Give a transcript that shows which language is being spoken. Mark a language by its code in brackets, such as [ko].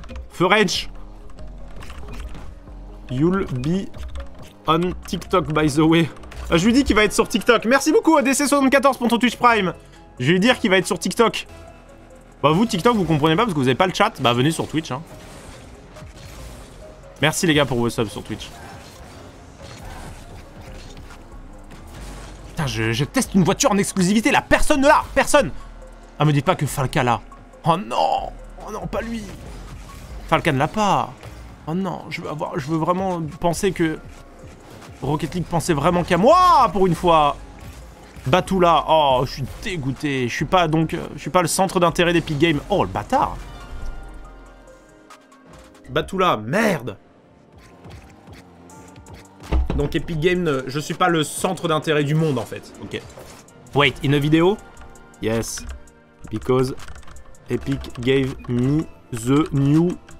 [en] French, you'll be on TikTok, by the way. [fr] Je lui dis qu'il va être sur TikTok. Merci beaucoup, ODC74, pour ton Twitch Prime. Je vais lui dire qu'il va être sur TikTok. Bah, vous, TikTok, vous comprenez pas parce que vous avez pas le chat. Bah, venez sur Twitch. Hein. Merci, les gars, pour vos subs sur Twitch. Putain, je teste une voiture en exclusivité. La personne ne l'a. Personne. Ah, me dites pas que Falca l'a. Oh non. Oh non, pas lui. Falcon ne l'a pas. Oh non, je veux vraiment penser que Rocket League pensait vraiment qu'à moi pour une fois. Batula, oh, je suis dégoûté. Je suis pas le centre d'intérêt d'Epic Games. Oh, le bâtard. Batula, merde. Donc Epic Games, je suis pas le centre d'intérêt du monde, en fait. [en] Ok. Wait, in a video? Yes. Because Epic gave me the new...